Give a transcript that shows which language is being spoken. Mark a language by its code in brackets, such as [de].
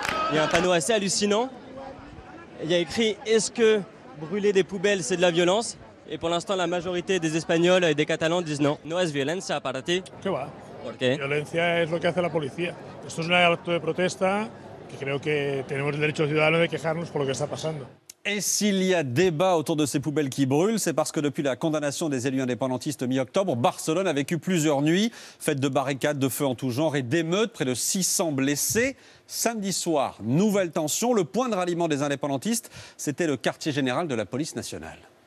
[fr] Il y a un panneau assez hallucinant. Il y a écrit « Est-ce que brûler des poubelles, c'est de la violence ?» Et pour l'instant, la majorité des Espagnols et des Catalans disent non. « [es] No es violencia para ti ?» Que va. ¿Por qué? Violencia es lo que hace la policía. Esto es un acto de protesta que creo que tenemos el derecho ciudadano de quejarnos por lo que está pasando. [fr] Et s'il y a débat autour de ces poubelles qui brûlent, c'est parce que depuis la condamnation des élus indépendantistes mi-octobre, Barcelone a vécu plusieurs nuits faites de barricades, de feux en tout genre et d'émeutes, près de 600 blessés. Samedi soir, nouvelle tension, le point de ralliement des indépendantistes, c'était le quartier général de la police nationale.